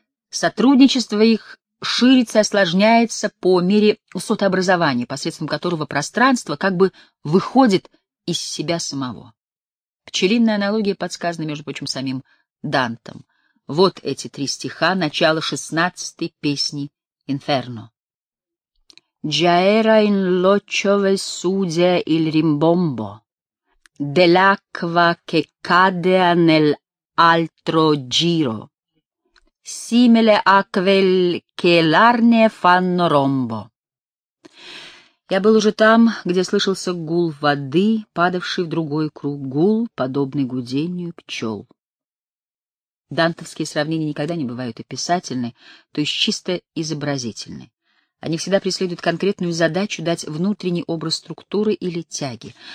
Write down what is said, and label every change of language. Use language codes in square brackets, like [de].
[ru] Сотрудничество их ширится и осложняется по мере усотообразования, посредством которого пространство как бы выходит из себя самого. Пчелиная аналогия подсказана, между прочим, самим Дантом. Вот эти три стиха, начало 16-й песни «Инферно». [it] «Già era in loco vesudia il rimbombo dell'acqua che cadea nell'altro giro, simile a quel che l'arne fanno rombo». [ru] Я был уже там, где слышался гул воды, падавший в другой круг, гул, подобный гудению пчел. Дантовские сравнения никогда не бывают описательны, то есть чисто изобразительны. Они всегда преследуют конкретную задачу дать внутренний образ структуры или тяги.